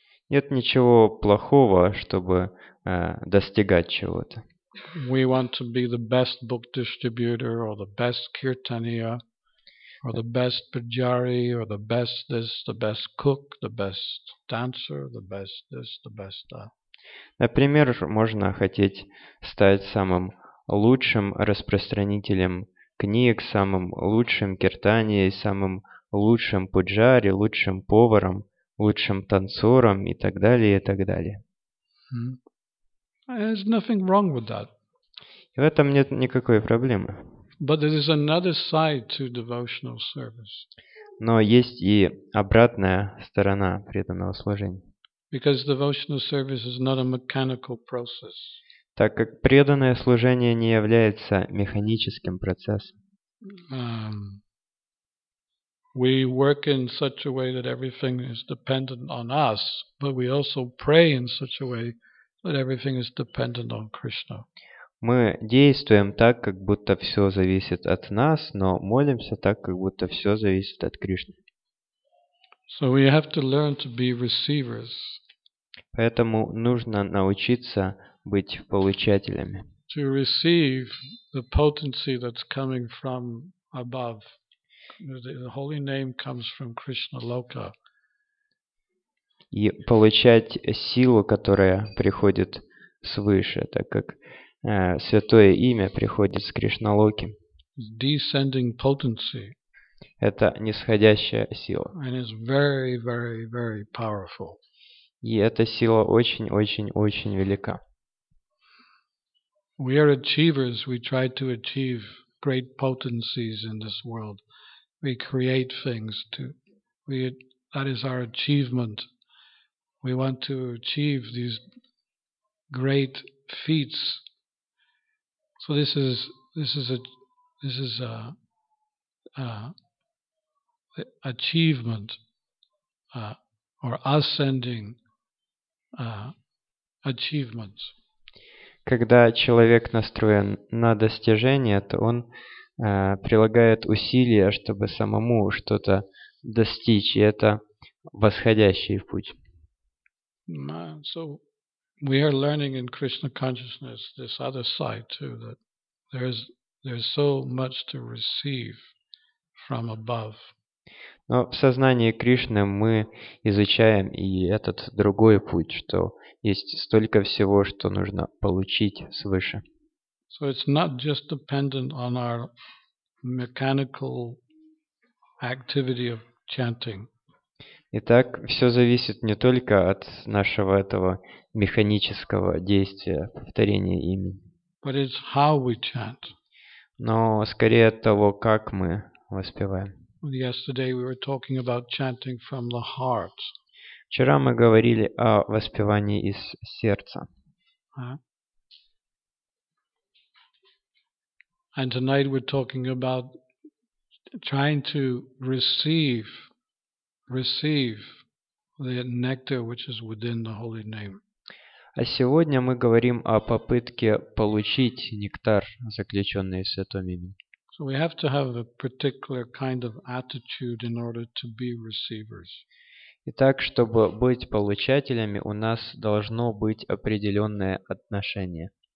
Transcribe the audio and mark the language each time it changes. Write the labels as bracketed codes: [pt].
[ru] Нет ничего плохого, чтобы достигать чего-то. [en] We want to be the best book distributor, or the best kirtaniya, or the best pujari, or the best this, the best cook, the best dancer, the best this, the best that. [ru] Например, можно хотеть стать самым лучшим распространителем книг, самым лучшим киртанией, самым лучшим пуджари, лучшим поваром, лучшим танцором и так далее, и так далее. [en] There's nothing wrong with that. [ru] И в этом нет никакой проблемы. [en] But there is another side to devotional service. [ru] Но есть и обратная сторона преданного служения. [en] Because devotional service is not a mechanical process. [ru] Так как преданное служение не является механическим процессом. [en] We work in such a way that everything is dependent on us, but we also pray in such a way that everything is dependent on Krishna. [ru] Мы действуем так, как будто все зависит от нас, но молимся так, как будто все зависит от Кришны. [en] So we have to learn to be receivers. [ru] Поэтому нужно научиться быть получателями. [en] To receive the potency that's coming from above. The holy name comes from Krishna Loka. [ru] И получать силу, которая приходит свыше, так как святое имя приходит с Кришналоки. [en] Descending potency. [ru] Это нисходящая сила. [en] And it's very, very, very powerful. [ru] И эта сила очень-очень-очень велика. [en] We are achievers. We try to achieve great potencies in this world. We create things. That is our achievement. We want to achieve these great feats. So this is a achievement or ascending. Achievements. [ru] Когда человек настроен на достижение, то он прилагает усилия, чтобы самому что-то достичь, и это восходящий путь. [en] So we are learning in Krishna consciousness this other side too, that there's so much to receive from above. [ru] Но в сознании Кришны мы изучаем и этот другой путь, что есть столько всего, что нужно получить свыше. [en] So it's not just dependent on our mechanical activity of chanting. [ru] Итак, все зависит не только от нашего этого механического действия, повторения имени. [en] But it's how we chant. [ru] Но скорее от того, как мы воспеваем. [en] Yesterday we were talking about chanting from the heart. [ru] Вчера мы говорили о воспевании из сердца. [en] And tonight we're talking about trying to receive receive the nectar which is within the holy name. [ru] А сегодня мы говорим о попытке получить нектар, заключенный в святом имени. [en] So we have to have a particular kind of attitude in order to be receivers. [ru] Итак, чтобы быть получателями, у нас должно быть определенное отношение.